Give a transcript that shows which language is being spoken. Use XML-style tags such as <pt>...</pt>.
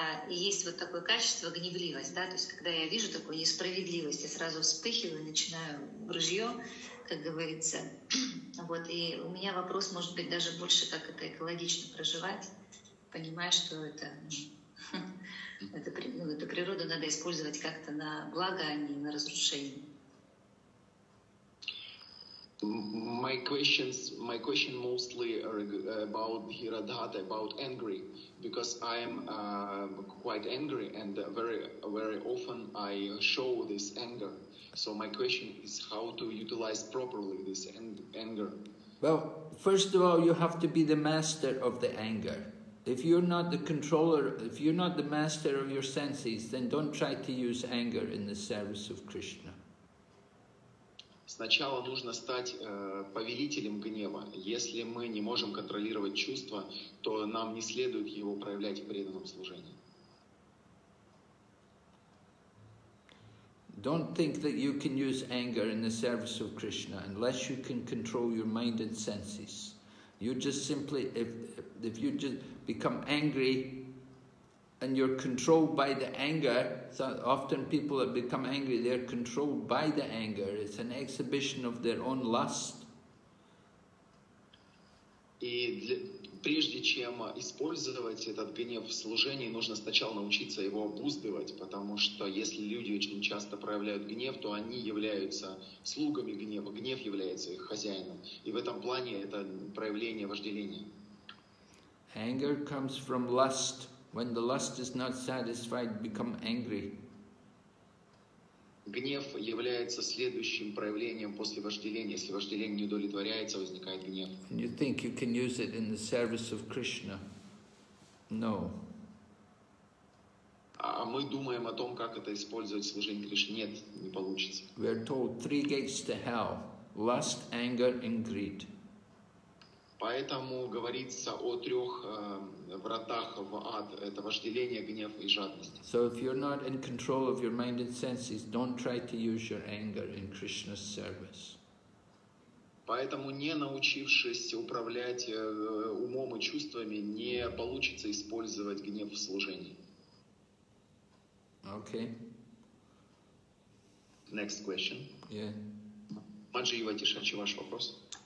<ru>Есть вот такое качество, гневливость, да, то есть когда я вижу такую несправедливость, я сразу вспыхиваю и начинаю ружье, как говорится. Вот, и у меня вопрос, может быть, даже больше, как это экологично проживать, понимая, что это Это, ну, эту природу надо использовать как-то на благо, а не на разрушение.</ru> <en>My question mostly about Hiradhata, about angry, because I am quite angry and very, very often I show this anger. So my question is how to utilize properly this anger. Well, first of all, you have to be the master of the anger. If you're not the controller, if you're not the master of your senses, then don't try to use anger in the service of Krishna.</en> <ru>Сначала нужно стать повелителем гнева. Если мы не можем контролировать чувства, то нам не следует его проявлять в преданном служении.</ru> <en>Don't think that you can use anger in the service of Krishna unless you can control your mind and senses. You just simply, if you just become angry and you're controlled by the anger, so often people that become angry, they're controlled by the anger. It's an exhibition of their own lust.</en> <ru>И для, прежде чем использовать этот гнев в служении, нужно сначала научиться его обуздывать, потому что если люди очень часто проявляют гнев, то они являются слугами гнева, гнев является их хозяином. И в этом плане это проявление вожделения.</ru> <en>Anger comes from lust. When the lust is not satisfied, become angry.</en> <ru>Гнев является следующим проявлением после вожделения. Если вожделение не удовлетворяется, возникает гнев.</ru> <en>And you think you can use it in the service of Krishna? No.</en> <ru>А мы думаем о том, как это использовать в служении Кришне. Нет, не получится.</ru> <en>We are told three gates to hell: lust, anger, and greed.</en> <ru>Поэтому говорится о трех вратах в ад. Это вожделение, гнев и жадность.</ru> <en>So if you're not in control of your mind and senses, don't try to use your anger in Krishna's service.</en> <ru>Поэтому не научившись управлять умом и чувствами, не получится использовать гнев в служении.</ru> <en>Okay. Next question. Yeah.</en> <ru>Маджива Тишачи, ваш вопрос.</ru>